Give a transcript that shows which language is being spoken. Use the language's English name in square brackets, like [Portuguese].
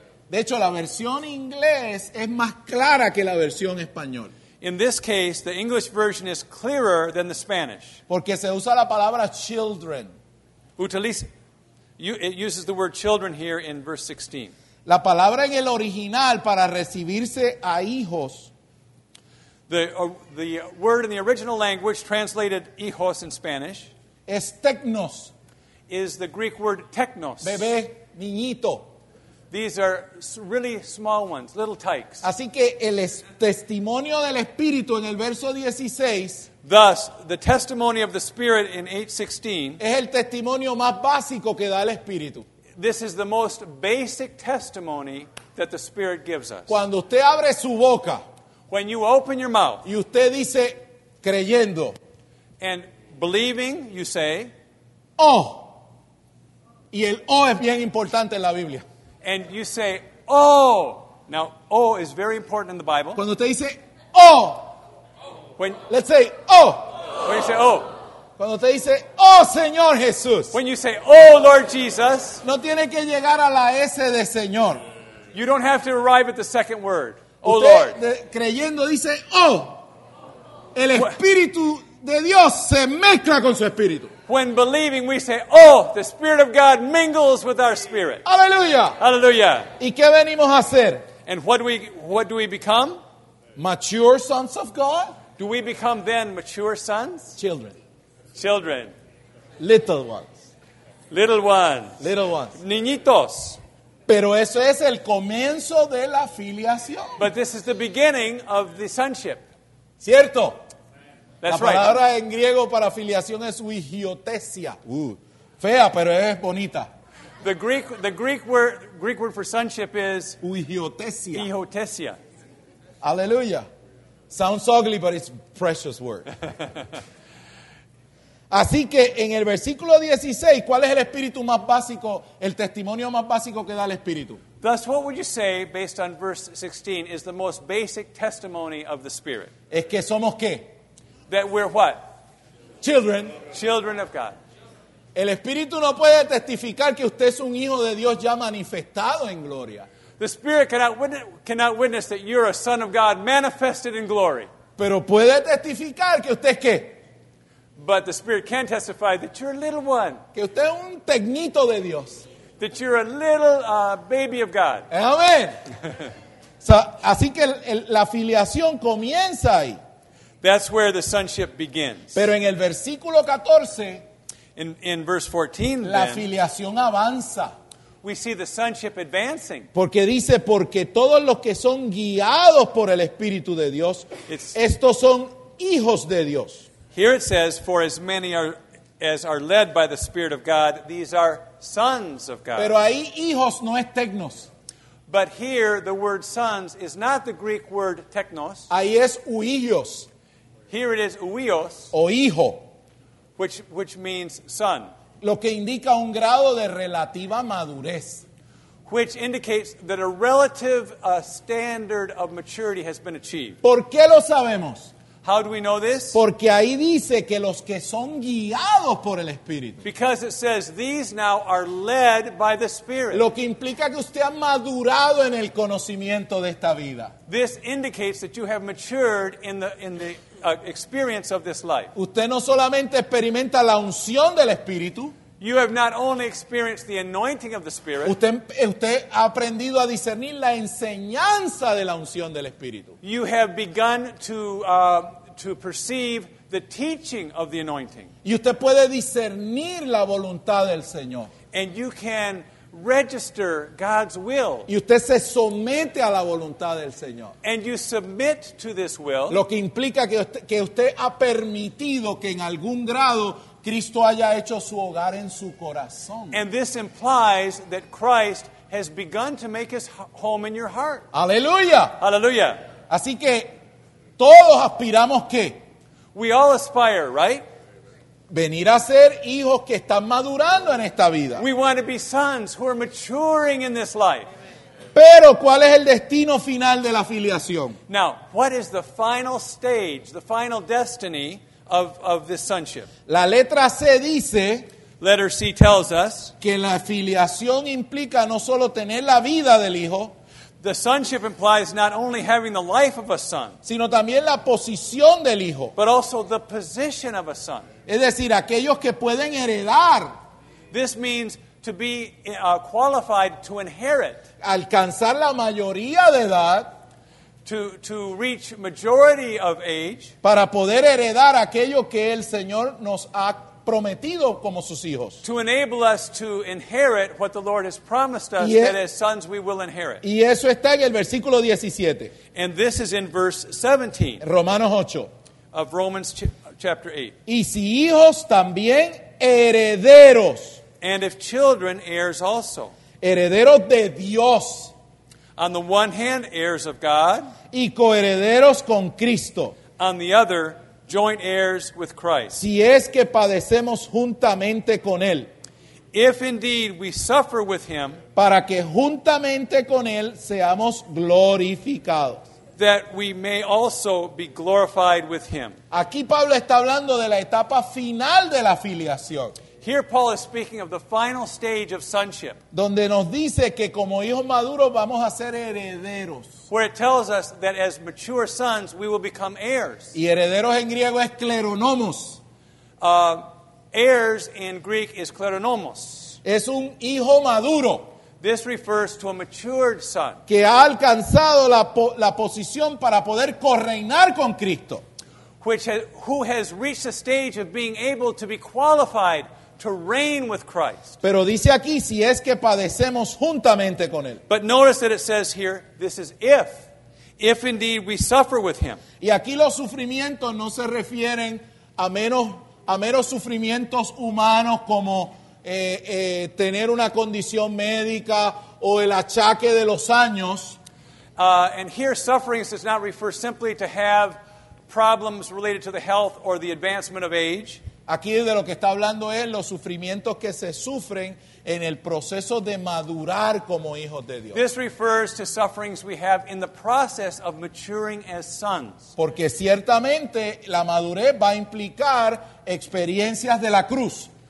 [Spanish] De hecho, la versión inglés es más clara que la versión español. [English] In this case, the English version is clearer than the Spanish. [Spanish] Porque se usa la palabra children. [English] It uses the word children here in verse 16. [Spanish] La palabra en el original para recibirse a hijos. [English] The word in the original language translated hijos in Spanish. [Spanish] Es technos. [English] Is the Greek word technos. [Spanish] Bebé, niñito. [English] These are really small ones, little tykes. [Spanish] Así que el testimonio del Espíritu en el verso 16. [English] Thus, the testimony of the Spirit in 8:16. [Spanish] Es el testimonio más básico que da el Espíritu. [English] This is the most basic testimony that the Spirit gives us. [Spanish] Cuando usted abre su boca. [English] When you open your mouth. [Spanish] Y usted dice, creyendo. [English] And believing, you say. Oh. [Spanish] Y el oh es bien importante en la Biblia. [English] And you say, oh. Now, oh is very important in the Bible. [Spanish] Cuando usted dice, oh. [English] When, let's say, oh. When you say, oh. [Spanish] Cuando usted dice, oh, Señor Jesús. [English] When you say, oh, Lord Jesus. [Spanish] No tiene que llegar a la S de Señor. [English] You don't have to arrive at the second word. [Spanish] Usted, [English] oh, Lord. [Spanish] Creyendo, dice, oh. El Espíritu de Dios se mezcla con su Espíritu. [English] When believing, we say, oh, the Spirit of God mingles with our spirit. [Spanish] Aleluya. Aleluya. ¿Y qué venimos a hacer? [English] And what do we become? Mature sons of God. Do we become then mature sons? Children. Children. Little ones. Little ones. Little ones. [Spanish] Niñitos. Pero eso es el comienzo de la filiación. [English] But this is the beginning of the sonship. [Spanish] Cierto. [English] That's [Spanish] la palabra [English] right. [Spanish] En griego para filiación es uigiotesia. Fea, pero es bonita. [English] The Greek word for sonship is uigiotesia. Uigiotesia. Aleluya. Sounds ugly, but it's a precious word. [Spanish] Así que en el versículo 16, ¿cuál es el espíritu más básico, el testimonio más básico que da el espíritu? [English] Thus, what would you say, based on verse 16, is the most basic testimony of the Spirit? [Spanish] Es que somos qué? [English] That we're what? Children. Children of God. [Spanish] El Espíritu no puede testificar que usted es un hijo de Dios ya manifestado en gloria. [English] The Spirit cannot witness that you're a son of God manifested in glory. [Spanish] Pero puede testificar que usted es qué? [English] But the Spirit can testify that you're a little one. [Spanish] Que usted es un tecnito de Dios. [English] That you're a little baby of God. [Spanish] Amén. So, así que la filiación comienza ahí. [English] That's where the sonship begins. [Spanish] Pero en el versículo 14, [English] in verse 14, [Spanish] la filiación avanza. [English] We see the sonship advancing. [Spanish] Porque dice, porque todos los que son guiados por el Espíritu de Dios, estos son hijos de Dios. [English] Here it says, for as many as are led by the Spirit of God, these are sons of God. [Spanish] Pero ahí hijos no es technos. [English] But here the word sons is not the Greek word technos. [Spanish] Ahí es huillos. [English] Here it is, uios, [Spanish] o hijo, [English] which means son, [Spanish] lo que indica un grado de relativa madurez, [English] which indicates that a relative standard of maturity has been achieved. [Spanish] ¿Por qué lo sabemos? [English] How do we know this? [Spanish] Porque ahí dice que los que son guiados por el Espíritu. [English] Because it says these now are led by the Spirit. [Spanish] Lo que implica que usted ha madurado en el conocimiento de esta vida. [English] This indicates that you have matured in the experience of this life. [Spanish] Usted no solamente experimenta la unción del Espíritu. [English] You have not only experienced the anointing of the Spirit. [Spanish] Usted ha aprendido a discernir la enseñanza de la unción del Espíritu. [English] You have begun to perceive the teaching of the anointing. [Spanish] Y usted puede discernir la voluntad del Señor. [English] And you can register God's will. [Spanish] Y usted se somete a la voluntad del Señor. [English] And you submit to this will. [Spanish] Lo que implica que usted ha permitido que en algún grado Cristo haya hecho su hogar en su corazón. [English] And this implies that Christ has begun to make his home in your heart. [Spanish] Aleluya. Aleluya. Así que todos aspiramos ¿qué? [English] We all aspire, right? [Spanish] Venir a ser hijos que están madurando en esta vida. [English] We want to be sons who are maturing in this life. [Spanish] Pero ¿cuál es el destino final de la filiación? [English] Now, what is the final stage, the final destiny of this sonship? [Spanish] La letra C dice, [English] letter C tells us, [Spanish] que la filiación implica no solo tener la vida del hijo, [English] the sonship implies not only having the life of a son, [Spanish] sino también la posición del hijo, [English] but also the position of a son. [Spanish] Es decir, aquellos que pueden heredar. [English] This means to be qualified to inherit. [Spanish] Alcanzar la mayoría de edad. [English] To reach majority of age. [Spanish] Para poder heredar aquello que el Señor nos ha prometido como sus hijos. [English] To enable us to inherit what the Lord has promised us, that as sons we will inherit. [Spanish] Y eso está en el versículo 17. [English] And this is in verse 17. [Spanish] Romanos 8. [English] Of Romans chapter 8. [Spanish] Y si hijos también herederos. [English] And if children, heirs also. [Spanish] Herederos de Dios. [English] On the one hand, heirs of God. [Spanish] Y coherederos con Cristo. [English] On the other, joint heirs with Christ. [Spanish] Si es que padecemos juntamente con Él. [English] If indeed we suffer with Him. [Spanish] Para que juntamente con Él seamos glorificados. [English] That we may also be glorified with Him. [Spanish] Aquí Pablo está hablando de la etapa final de la filiación. [English] Here Paul is speaking of the final stage of sonship. [Spanish] Donde nos dice que como hijos maduros vamos a ser herederos. [English] Where it tells us that as mature sons we will become heirs. [Spanish] Y herederos en griego es kleronomos. [English] Heirs in Greek is kleronomos. [Spanish] Es un hijo maduro. [English] This refers to a matured son. [Spanish] Que ha alcanzado la posición para poder correinar con Cristo. [English] Who has reached the stage of being able to be qualified to reign with Christ. [Spanish] Pero dice aquí, si es que padecemos juntamente con Él. [English] But notice that it says here, this is if indeed we suffer with Him. [Spanish] Y aquí los sufrimientos no se refieren a menos sufrimientos humanos como tener una condición médica o el achaque de los años. [English] And here sufferings does not refer simply to have problems related to the health or the advancement of age. [Spanish] Aquí de lo que está hablando es los sufrimientos que se sufren en el proceso de madurar como hijos de Dios. [English] This refers to sufferings we have in the process of maturing as sons. [Spanish] Porque ciertamente la madurez va a implicar experiencias de la cruz.